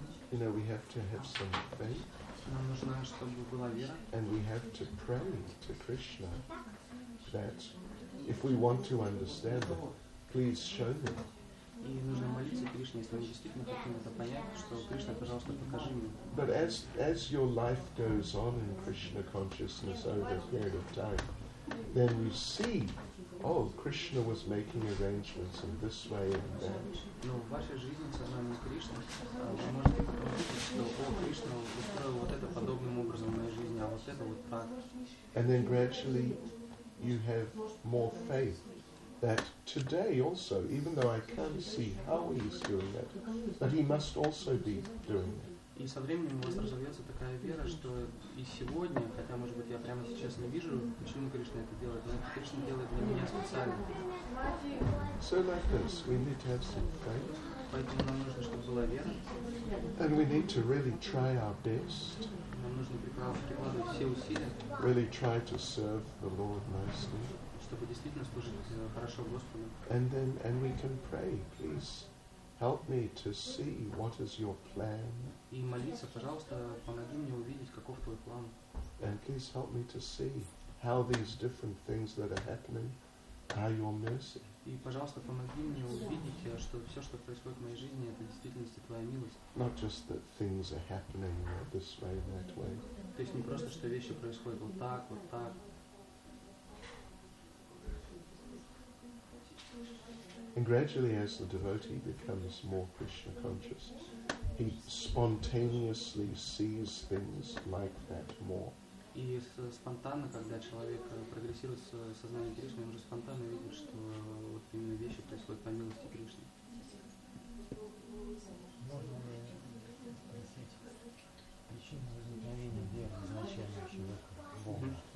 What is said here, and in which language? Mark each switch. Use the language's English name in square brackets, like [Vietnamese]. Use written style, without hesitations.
[Russian] Нам нужно, чтобы была вера. [English] And we have to pray to Krishna that if we want to understand, please show them. [Russian] И нужно молиться Кришне, если мы действительно хотим это понять, что Кришна, пожалуйста, покажи мне. [English] But as your life goes on in Krishna consciousness over a period of time, then we see, oh, Krishna was making arrangements in this way and that. [Russian] Но в вашей жизни, в сознании Кришны, вы можете увидеть, что о, Кришна устроил вот это подобным образом в моей жизни, а вот это вот так. [English] And then gradually you have more faith that today also, even though I can't see how he's doing that, but he must also be doing it. [Russian] И со временем у вас разовьется такая вера, что и сегодня, хотя, может быть, я прямо сейчас не вижу, почему Кришна это делает, но Кришна делает для меня специально. [English] So like this, we need to have some faith. [Russian] Поэтому нам нужно, чтобы была вера. [English] And we need to really try our best. [Russian] Нам нужно прикладывать все усилия. [English] Really try to serve the Lord nicely. [Russian] Чтобы действительно служить хорошо Господу. [English] And then, and we can pray, please. Help me to see what is your plan. [Russian] И молиться, пожалуйста, помоги мне увидеть, каков твой план. [English] And please help me to see how these different things that are happening sky your mercy. [Russian] И, пожалуйста, помоги мне увидеть, что все, что происходит в моей жизни, это в действительности твоя милость. [English] Not just that things are happening this way and that way. [Russian] То есть не просто, что вещи происходят вот так, вот так. [English] And gradually, as the devotee becomes more Krishna conscious, he spontaneously sees things like that more. [Russian] И спонтанно, когда человек прогрессирует в сознании Кришны, он уже спонтанно видит, что вот именно вещи происходят по милости Кришны. Можно ли спросить причину возникновения веры изначально человека в Бога?